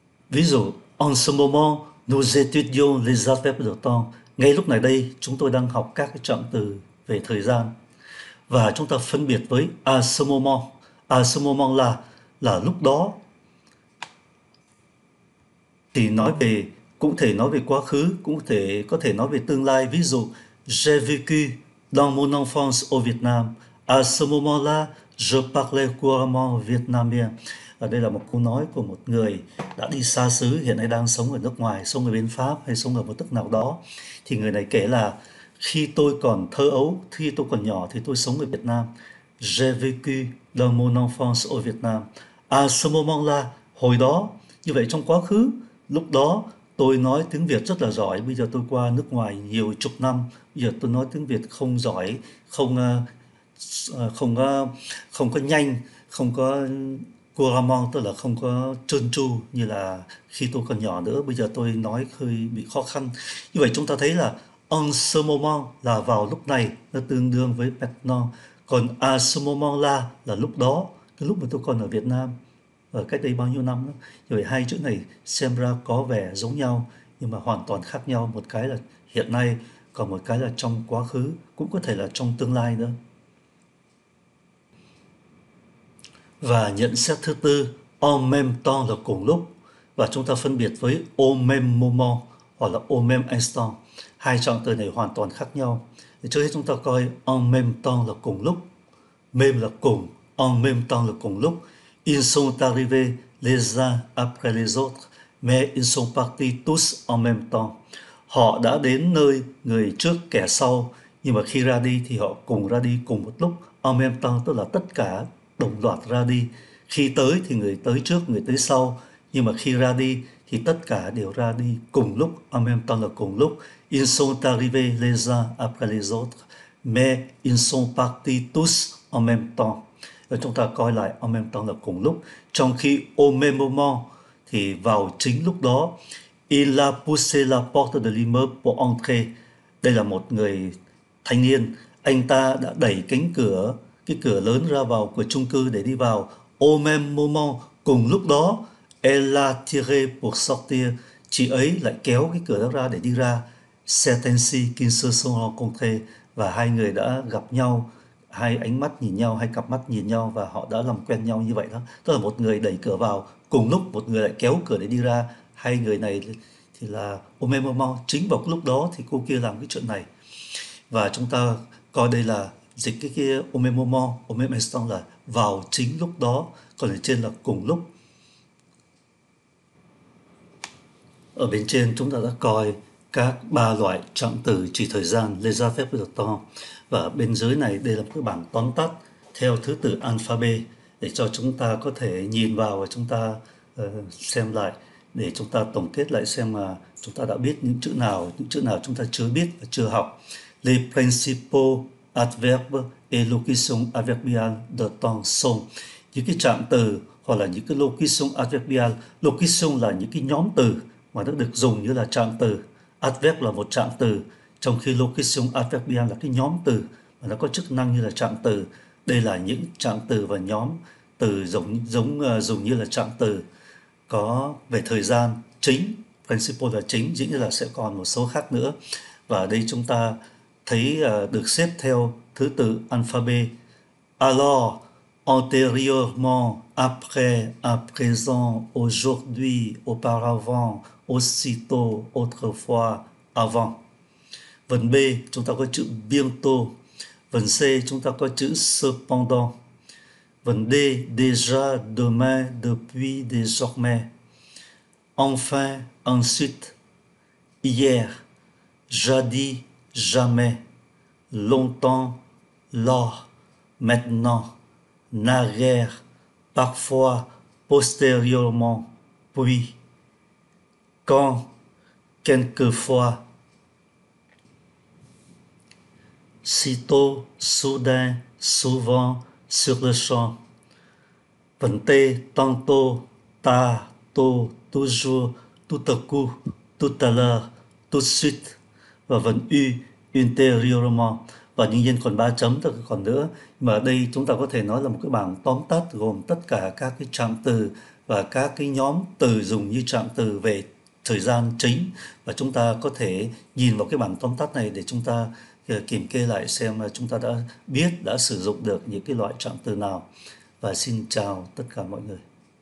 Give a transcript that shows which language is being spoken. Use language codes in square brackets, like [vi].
[vi] Ví dụ, [fr] en ce moment, nous étudions les adverbes de temps. [vi] Ngay lúc này đây, chúng tôi đang học các cái trạng từ về thời gian. Và chúng ta phân biệt với [fr] à ce moment. À ce moment [vi] là lúc đó. Thì nói về, cũng thể nói về quá khứ, cũng thể có thể nói về tương lai. Ví dụ, [fr] j'ai vécu dans mon enfance au Vietnam. À ce moment-là, je parlais couramment vietnamien. [vi] À, đây là một câu nói của một người đã đi xa xứ, hiện nay đang sống ở nước ngoài, sống ở bên Pháp hay sống ở một nước nào đó. Thì người này kể là, khi tôi còn thơ ấu, khi tôi còn nhỏ thì tôi sống ở Việt Nam. [fr] J'ai vécu dans mon enfance au Vietnam. À ce moment-là, [vi] hồi đó, như vậy trong quá khứ, lúc đó tôi nói tiếng Việt rất là giỏi. Bây giờ tôi qua nước ngoài nhiều chục năm, bây giờ tôi nói tiếng Việt không giỏi, không có nhanh, không có couramment, tức là không có trơn tru như là khi tôi còn nhỏ nữa. Bây giờ tôi nói hơi bị khó khăn. Như vậy chúng ta thấy là [fr] en ce moment [vi] là vào lúc này, nó tương đương với maintenant. Còn [fr] à ce moment [vi] là lúc đó, cái lúc mà tôi còn ở Việt Nam, ở cách đây bao nhiêu năm đó. Như vậy hai chữ này xem ra có vẻ giống nhau, nhưng mà hoàn toàn khác nhau. Một cái là hiện nay, còn một cái là trong quá khứ, cũng có thể là trong tương lai nữa. Và nhận xét thứ tư, [fr] en même temps [vi] là cùng lúc. Và chúng ta phân biệt với [fr] au même moment [vi] hoặc là [fr] au même instant. [vi] Hai trạng từ này hoàn toàn khác nhau. Trước hết chúng ta coi [fr] en même temps [vi] là cùng lúc, même là cùng, en même temps là cùng lúc. [fr] Ils sont arrivés les uns après les autres, mais ils sont partis tous en même temps. [vi] Họ đã đến nơi người trước kẻ sau, nhưng mà khi ra đi thì họ cùng ra đi cùng một lúc. [fr] En même temps [vi] tức là tất cả đồng loạt ra đi. Khi tới thì người tới trước, người tới sau, nhưng mà khi ra đi thì tất cả đều ra đi cùng lúc. [fr] En même temps [vi] là cùng lúc. [fr] Ils sont arrivés les uns après les autres, mais ils sont partis tous en même temps. [vi] Rồi chúng ta coi lại [fr] en même temps [vi] là cùng lúc. Trong khi [fr] au même moment [vi] thì vào chính lúc đó. [fr] Il a poussé la porte de l'immeuble pour entrer. [vi] Đây là một người thanh niên. Anh ta đã đẩy cánh cửa, cái cửa lớn ra vào của chung cư để đi vào. [fr] Au même moment, [vi] cùng lúc đó, [fr] elle a tiré pour sortir. [vi] Chị ấy lại kéo cái cửa đó ra để đi ra. [fr] C'est ainsi qu'ils se sont rencontrés. [vi] Và hai người đã gặp nhau, hai ánh mắt nhìn nhau, hai cặp mắt nhìn nhau và họ đã làm quen nhau như vậy đó. Tức là một người đẩy cửa vào, cùng lúc một người lại kéo cửa để đi ra. Hai người này thì là [fr] au même moment, [vi] chính vào lúc đó thì cô kia làm cái chuyện này. Và chúng ta coi đây là dịch cái kia [fr] au même moment, au même instant [vi] là vào chính lúc đó, còn ở trên là cùng lúc. Ở bên trên chúng ta đã coi các ba loại trạng từ chỉ thời gian, [fr] les affaires de temps. [vi] Và bên dưới này đây là một cái bảng tóm tắt theo thứ tự alphabet để cho chúng ta có thể nhìn vào và chúng ta xem lại. Để chúng ta tổng kết lại xem mà chúng ta đã biết những chữ nào chúng ta chưa biết và chưa học. [fr] Les principaux adverbes et locutions adverbiales de temps sont. [vi] Những cái trạng từ hoặc là những cái [fr] locutions adverbiales. [vi] Locutions là những cái nhóm từ mà nó được dùng như là trạng từ. Adverb là một trạng từ, trong khi [fr] locutions adverbiales [vi] là cái nhóm từ mà nó có chức năng như là trạng từ. Đây là những trạng từ và nhóm từ dùng như là trạng từ. Có về thời gian chính, principle là chính, dĩ nhiên là sẽ còn một số khác nữa. Và đây chúng ta thấy được xếp theo thứ tự alphabet. [fr] Alors, antérieurement, après, à présent, aujourd'hui, auparavant, aussitôt, autrefois, avant. [vi] Vần B, chúng ta có chữ bientôt. Vần C, chúng ta có chữ cependant. Vần D, [fr] déjà, demain, depuis, désormais. Enfin, ensuite, hier, jadis, jamais, longtemps, lors, maintenant, naguère, parfois, postérieurement, puis, quand, quelquefois, sitôt, soudain, souvent, sur le champ. [vi] Vần T, [fr] tantôt, tard, tôt, toujours, tout à coup, tout à l'heure, tout de suite. [vi] Và vần U, intérieurement. Và đương nhiên còn 3 chấm còn nữa. Mà đây chúng ta có thể nói là một cái bảng tóm tắt gồm tất cả các cái trạng từ và các cái nhóm từ dùng như trạng từ về thời gian chính. Và chúng ta có thể nhìn vào cái bảng tóm tắt này để chúng ta kiểm kê lại xem chúng ta đã biết, đã sử dụng được những cái loại trạng từ nào. Và xin chào tất cả mọi người.